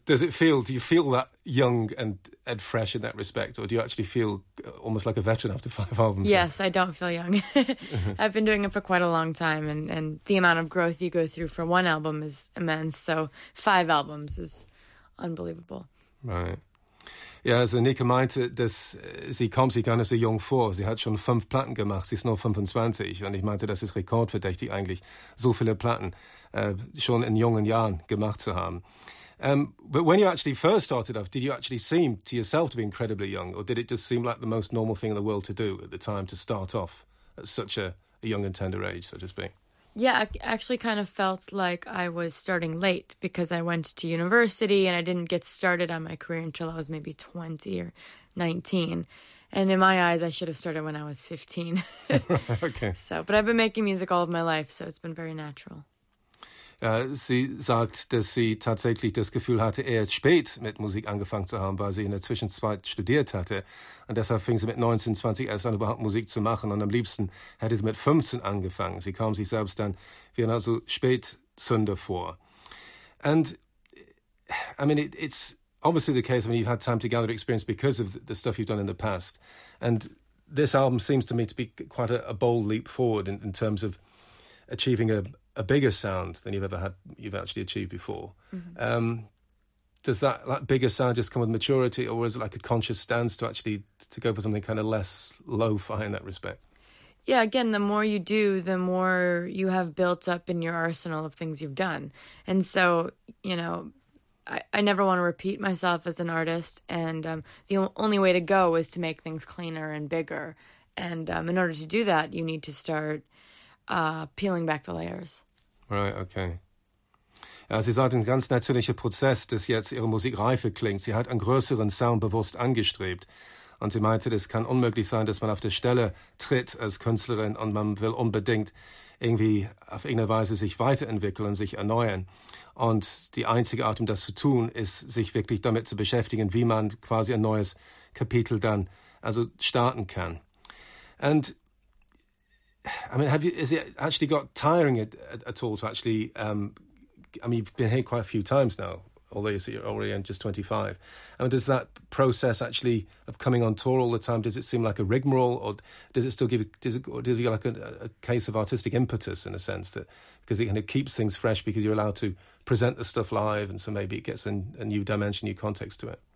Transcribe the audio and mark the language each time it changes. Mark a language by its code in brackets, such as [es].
[en] Do you feel that young and fresh in that respect? Or do you actually feel almost like a veteran after five albums? Yes, I don't feel young. I've been doing it for quite a long time. And the amount of growth you go through for one album is immense. So five albums is unbelievable. Right. [de] Ja, also Nika meinte, dass sie kommt sich gar nicht so jung vor. Sie hat schon 5 Platten gemacht, sie ist nur 25. Und ich meinte, das ist rekordverdächtig eigentlich, so viele Platten schon in jungen Jahren gemacht zu haben. [en] But when you actually first started off, did you actually seem to yourself to be incredibly young? Or did it just seem like the most normal thing in the world to do at the time to start off at such a young and tender age, so to speak? Yeah, I actually kind of felt like I was starting late because I went to university and I didn't get started on my career until I was maybe 20 or 19. And in my eyes, I should have started when I was 15. Okay. So, but I've been making music all of my life, so it's been very natural. [de] Sie sagt, dass sie tatsächlich das Gefühl hatte, eher spät mit Musik angefangen zu haben, weil sie in der Zwischenzeit studiert hatte. Und deshalb fing sie mit 19, 20 erst an, überhaupt Musik zu machen. Und am liebsten hätte sie mit 15 angefangen. Sie kam sich selbst dann wie ein also Spätsünder vor. [en] And, I mean, it's obviously the case when you've had time to gather experience because of the stuff you've done in the past. And this album seems to me to be quite a bold leap forward in terms of achieving a bigger sound than you've actually achieved before. Mm-hmm. Does that bigger sound just come with maturity, or is it like a conscious stance to go for something kind of less lo-fi in that respect? Yeah, again, the more you do, the more you have built up in your arsenal of things you've done. And so, you know, I never want to repeat myself as an artist, and the only way to go is to make things cleaner and bigger. And in order to do that, you need to start peeling back the layers. Right, okay. [de] Sie sagt, ein ganz natürlicher Prozess, dass jetzt ihre Musik reifer klingt. Sie hat einen größeren Sound bewusst angestrebt. Und sie meinte, es kann unmöglich sein, dass man auf der Stelle tritt als Künstlerin und man will unbedingt irgendwie auf irgendeine Weise sich weiterentwickeln und sich erneuern. Und die einzige Art, um das zu tun, ist, sich wirklich damit zu beschäftigen, wie man quasi ein neues Kapitel dann also starten kann. [en] And I mean, is it actually got tiring at all to actually, you've been here quite a few times now, although you say you're already just 25. I mean, does that process actually of coming on tour all the time, does it seem like a rigmarole, or does it still give you, does it like a case of artistic impetus in a sense that, because it kind of keeps things fresh because you're allowed to present the stuff live and so maybe it gets a new dimension, new context to it?